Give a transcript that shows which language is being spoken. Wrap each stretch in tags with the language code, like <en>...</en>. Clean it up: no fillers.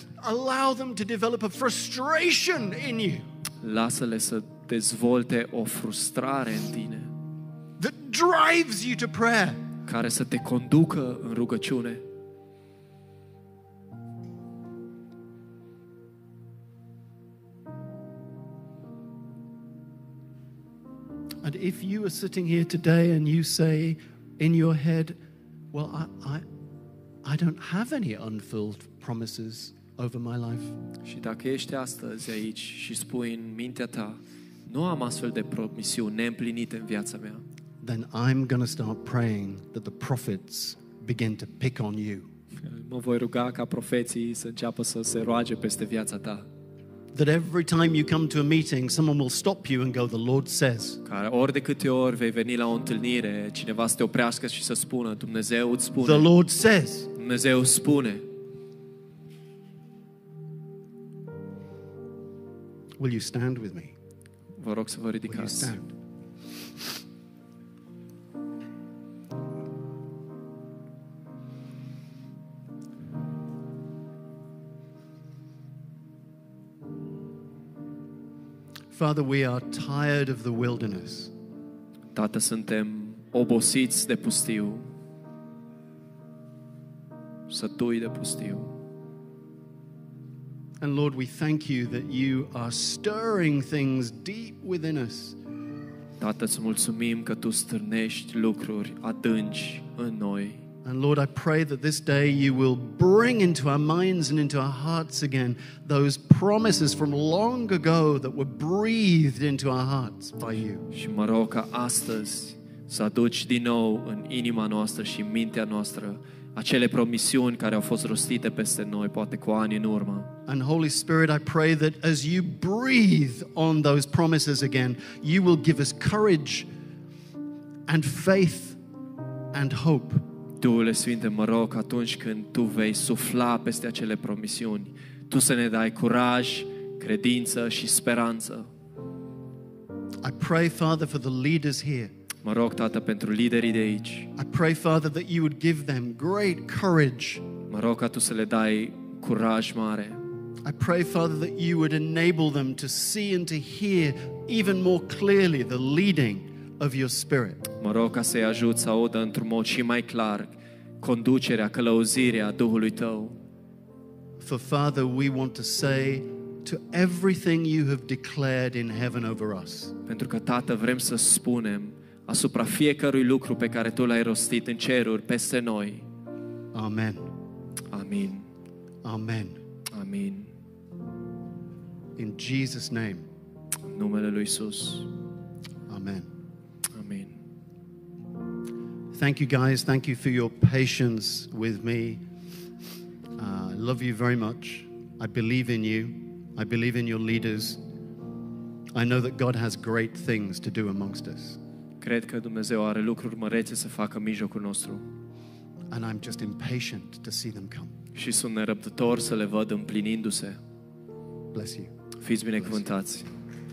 <en>Allow them to develop a frustration in you.</en> <ro>Lasă-le să dezvolte o frustrare în tine.</ro> <en>That drives you to prayer.</en> <ro>Care să te conducă în rugăciune.</ro> <en>And if you are sitting here today and you say in your head, well, I don't have any unfulfilled promises over my life.</en> <ro>Și dacă ești astăzi aici și spui în mintea ta, nu am astfel de promisiuni neîmplinite în viața mea.</ro> <en>Then I'm going to start praying that the prophets begin to pick on you.</en> <ro>Mă voi ruga ca profeții să înceapă să se roage peste viața ta.</ro> <en>That every time you come to a meeting, someone will stop you and go, the Lord says.</en> <ro>Care ori de câte ori vei veni la o întâlnire, cineva să te oprească și să spună, Dumnezeu îți spune.</ro> <en>The Lord says.</en> <ro>Dumnezeu spune.</ro> <en>Will you stand with me?</en> <ro>Vă rog să vă ridicați.</ro> <en>Will you stand? Father, we are tired of the wilderness.</en> <ro>Tată, suntem obosiți de pustiu. Sătui de pustiu.</ro> <en>And Lord, we thank you that you are stirring things deep within us.</en> <ro>Tată, îți mulțumim că tu stârnești lucruri adânci în noi.</ro> <en>And Lord, I pray that this day you will bring into our minds and into our hearts again those promises from long ago that were breathed into our hearts by you.</en> <ro>Și mă rog ca astăzi să aduci din nou în inima noastră și în mintea noastră acele promisiuni care au fost rostite peste noi, poate cu ani în urmă.</ro> <en>And Holy Spirit, I pray that as you breathe on those promises again, you will give us courage and faith and hope.</en> <ro>Duhule Sfinte, mă rog atunci când Tu vei sufla peste acele promisiuni, Tu să ne dai curaj, credință și speranță.</ro> <en>I pray, Father, for the leaders here.</en> <ro>Mă rog, Tată, pentru liderii de aici.</ro> <en>I pray, Father, that you would give them great courage.</en> <ro>Mă rog ca Tu să le dai curaj mare.</ro> <en>I pray, Father, that you would enable them to see and to hear even more clearly the leading of your spirit.</en> <ro>Mă rog ca să-i ajut să audă într-un mod și mai clar conducerea, călăuzirea Duhului Tău.</ro> <en>For Father, we want to say to everything you have declared in heaven over us.</en> <ro>Pentru că Tată, vrem să spunem asupra fiecărui lucru pe care Tu l-ai rostit în ceruri peste noi.</ro> <en>Amen.</en> <ro>Amin.</ro> <en>Amen.</en> <ro>Amin.</ro> <en>In Jesus' name.</en> <ro>În numele lui Iisus.</ro> <en>Amen. Thank you guys, thank you for your patience with me. I love you very much. I believe in you. I believe in your leaders. I know that God has great things to do amongst us.</en> <ro>Cred că Dumnezeu are lucruri mărețe să facă în mijlocul nostru.</ro> <en>And I'm just impatient to see them come.</en> <ro>Și sunt nerăbdător să le văd împlinindu-se.</ro> <en>Bless you.</en> <ro>Fiți binecuvântați.</ro> <en>Bless you.</en>